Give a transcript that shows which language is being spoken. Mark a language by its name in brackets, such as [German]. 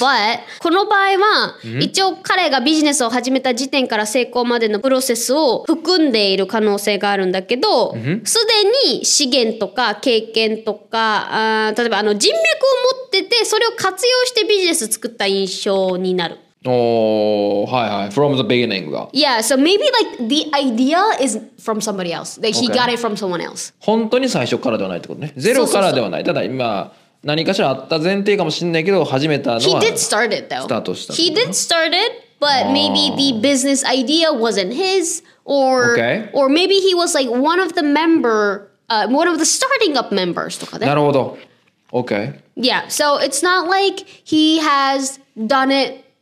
[Japanese] But この場合は一応彼がビジネスを始めた時点から成功までのプロセスを含んでいる可能性があるんだけど、すでに資源とか経験とか、例えばあの人脈を持ってて、それを活用してビジネス作った印象になる。 [English] Oh, hi, hi. From the beginning. Yeah, so maybe like the idea is from somebody else. Like he got it from someone else. [Japanese] 本当に最初からではないってことね。ゼロからではない。ただ今何かしらあった前提かもしれないけど、始めたのは。 [English] He did start it though. [Japanese] スタートした。 [English] He did start it, but maybe the business idea wasn't his, or or maybe he was like one of the member, one of the starting up members [Japanese] とかね。なるほど。Okay. [English] Yeah, so it's not like he has done it.